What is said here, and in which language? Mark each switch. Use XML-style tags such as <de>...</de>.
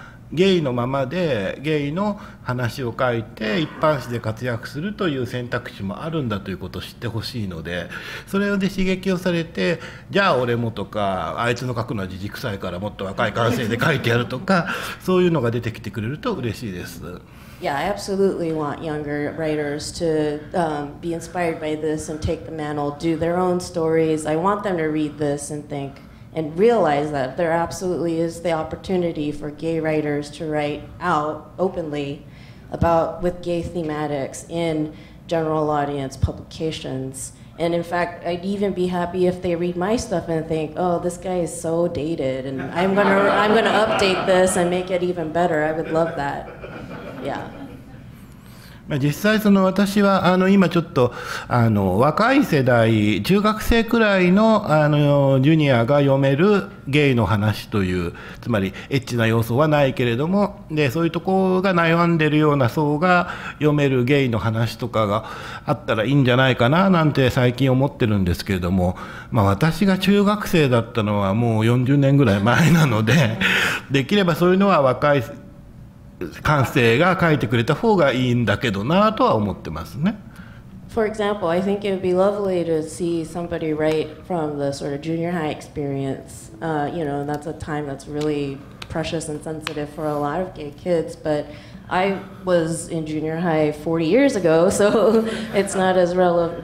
<ja>ゲイのままでゲイの話を書いて一般紙で活躍するという選択肢もあるんだということを知ってほしいので、それで刺激をされて、じゃあ俺もとか、あいつの書くのはじじくさいからもっと若い感性で書いてやるとか、そういうのが出てきてくれると嬉しいです。</ja> <en>Yeah, I absolutely want younger writers to be inspired by this and take the mantle, do their own stories. I want them to read this and thinkand realize that there absolutely is the opportunity for gay writers to write out openly about with gay thematics in general audience publications. And in fact, I'd even be happy if they read my stuff and think, oh, this guy is so dated, and I'm gonna update this and make it even better. I would love that. Yeah.</en> <ja>実際その私は今ちょっと若い世代、中学生くらいのジュニアが読めるゲイの話という、つまりエッチな要素はないけれども、でそういうところが悩んでるような層が読めるゲイの話とかがあったらいいんじゃないかななんて最近思ってるんですけれども、まあ私が中学生だったのはもう40年ぐらい前なので、できればそういうのは若い感性が書いてくれた方がいいんだけどなとは思ってますね。</ja> <en>For example, I think it would be lovely to see somebody write from the sort of junior high experience. You know, that's a time that's really precious and sensitive for a lot of gay kids, but I was in junior high 40 years ago, so it's not as relevant.</en>